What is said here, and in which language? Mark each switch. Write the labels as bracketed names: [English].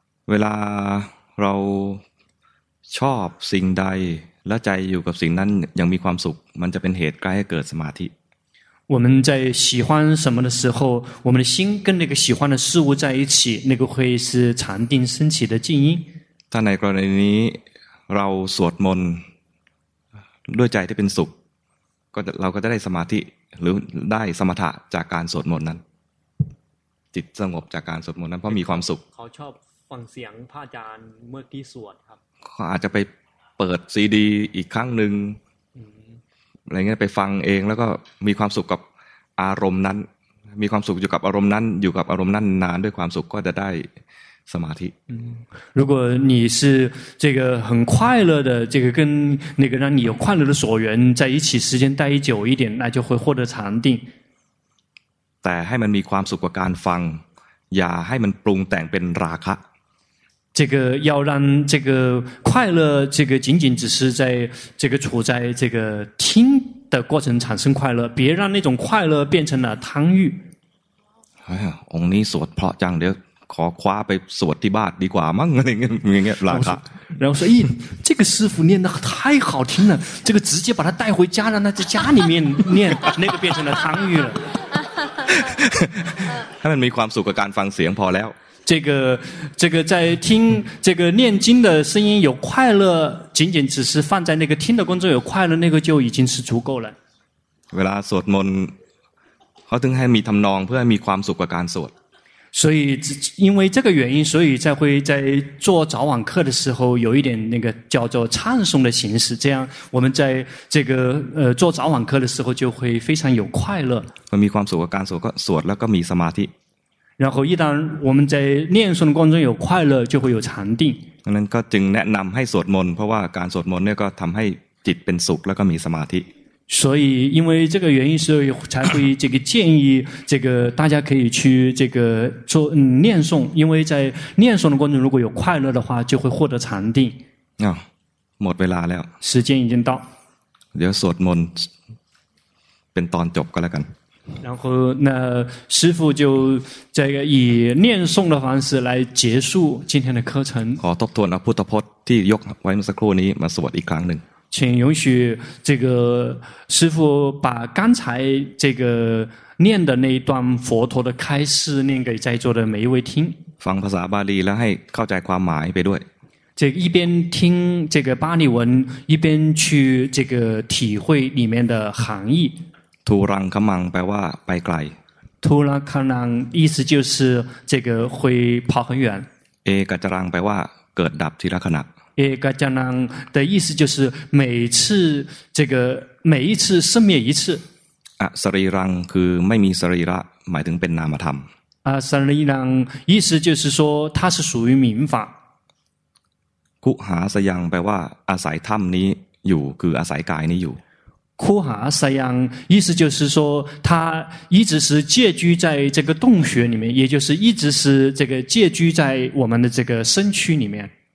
[Thai] เวลาเราชอบสิ่งใดและใจอยู่กับสิ่งนั้นยังมีความสุขมันจะเป็นเหตุใกล้ให้เกิดสมาธิ [Chinese] 我们在喜欢什么的时候我们的心跟那个喜欢的事物在一起那个会是禅定升起的静音 [Thai] ถ้าในกรณีนี้เราสวดมนต์ด้วยใจที่เป็นสุขก็เราก็จะได้สมาธิหรือได้สมถะจากการสวดมนต์นั้นจิตสงบจากการสวดมนต์นั้นเพราะมีความสุข เขาชอบฟังเสียงพระอาจารย์เมื่อที่สวดครับ เขาอาจจะไปเปิดซีดีอีกครั้งหนึ่งอะไรเงี้ยไปฟังเองแล้วก็มีความสุขกับอารมณ์นั้นมีความสุขอยู่กับอารมณ์นั้นอยู่กับอารมณ์นั้นนานด้วยความสุขก็จะได้สมาธิ [Chinese] 如果你是这个很快乐的这个跟那个让你有快乐的所缘在一起时间待久一点那就会获得禅定 [Thai] แต่ให้มันมีความสุขกับการฟังอย่าให้มันปรุงแต่งเป็นราคะ [Chinese] 这个要让这个快乐这个仅仅只是在这个处在这个听的过程产生快乐别让那种快乐变成了贪欲 [Thai] 哎呀องค์นี้สวดเพราะจังเดี๋ยวขอคว้าไปสวดที่บ้านดีกว่ามั้งอะไรเงี้ยอย่างเงี้ยราคะ [Chinese] 然后说咦这个师父念的太好听了这个直接把他带回家让他在家里面念那个变成了贪欲了 [Thai] ให้มันมีความสุขกับการฟังเสียงพอแล้ว [Chinese] 这个在听这个念经的声音有快乐仅仅只是放在那个听的工作有快乐那个就已经是足够了 [Thai] เวลาสวดมนต์เขาถึงให้มีทํานองเพื่อให้มีความสุขกับการสวด [Chinese] 所以因为这个原因所以才会在做早晚课的时候有一点那个叫做唱诵的形式这样我们在这个做早晚课的时候就会非常有快乐 [Thai] มีความสุขกับการสวดแล้วก็มีสมาธิ [Chinese] 然后一旦我们在念诵的过程中有快乐就会有禅定 [Thai] นั้นก็จึงแนะนําให้สวดมนต์เพราะว่าการสวดมนต์เนี่ยก็ทําให้จิตเป็นสุขแล้วก็มีสมาธิ [Chinese] 所以因为这个原因所以才会这个建议这个大家可以去这个做念诵因为在念诵的过程如果有快乐的话就会获得禅定 [Thai] 啊หมดเวลาแล้ว [Chinese] 时间已经到 [Thai] เดี๋ยวสวดมนต์เป็นตอนจบก็แล้วกัน [Chinese] 然后那师父就这个以念诵的方式来结束今天的课程 [Thai] ขอทบทวนพุทธพจน์ที่ยกไว้เมื่อสักครู่นี้มาสวดอีกครั้งหนึ่ง [Chinese] 请允许这个师父把刚才这个念的那一段佛陀的开示念给在座的每一位听。 [Thai] ฟังภาษาบาลีแล้วให้เข้าใจความหมายไปด้วย。 [Chinese] 这一边听这个巴利文，一边去这个体会里面的含义。 [Thai] ทุรังคมังแปลว่าไปไกล。 [Chinese] ทุรังคมัง意思就是这个会跑很远。 [Thai] เอกจรังแปลว่าเกิดดับทีละขณะ [Chinese] เอกจรัง的意思就是每次这个每一次生灭一次 [Thai] อสรีรังคือไม่มีสรีระหมายถึงเป็นนามธรรม [Chinese] อสรีรัง意思就是说它是属于民法 [Thai] คุหาสยังแปลว่าอาศัยถ้ำนี้อยู่คืออาศัยกายนี้อยู่ [Chinese] คุหาสยัง意思就是说它一直是借居在这个洞穴里面也就是一直是这个借居在我们的这个身躯里面